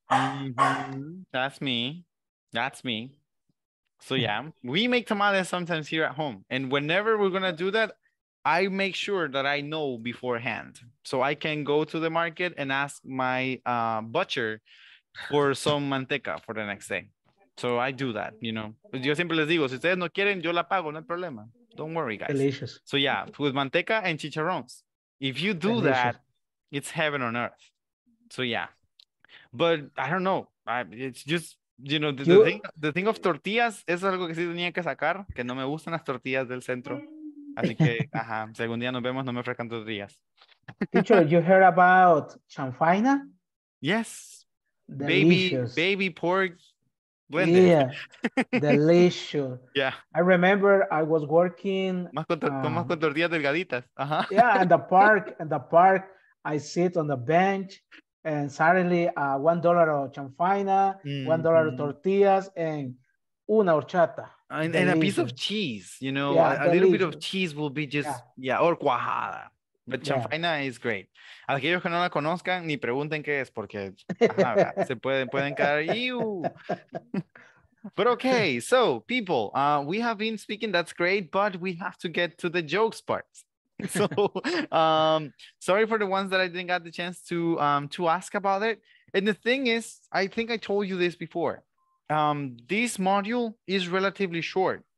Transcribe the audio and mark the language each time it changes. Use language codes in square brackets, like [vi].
[en] Mm-hmm. That's me. So yeah, we make tamales sometimes here at home, and whenever we're gonna do that, I make sure that I know beforehand, so I can go to the market and ask my butcher for some manteca for the next day. So I do that, you know. [es] Yo siempre les digo, si ustedes no quieren, yo la pago, no hay problema. [en] Don't worry, guys. Delicious. So yeah, with manteca and chicharrones. If you do delicious. That, it's heaven on earth. So yeah. But I don't know. It's just, you know, the thing of tortillas, [es] eso es algo que sí tenía que sacar, que no me gustan las tortillas del centro. Así que, ajá, si algún día nos vemos, no me ofrezcan tortillas. [en] Teacher, you heard about chanfaina? Yes. Delicious. Baby pork. Blended. Yeah, delicious. Yeah, I remember I was working. [es] Más con tortillas delgaditas. Uh-huh. [en] Yeah, in the park, I sit on the bench, and suddenly $1 of chanfaina, $1 of tortillas, and [es] una horchata. [en] And a piece of cheese, you know, yeah, a little bit of cheese will be just or cuajada. But chanfaina is great. [es] Aquellos que no la conozcan, ni pregunten qué es, porque se pueden quedar. Ew. [en] But okay, so people, we have been speaking, that's great, but we have to get to the jokes part. So sorry for the ones that I didn't get the chance to ask about it. And the thing is, I think I told you this before. This module is relatively short.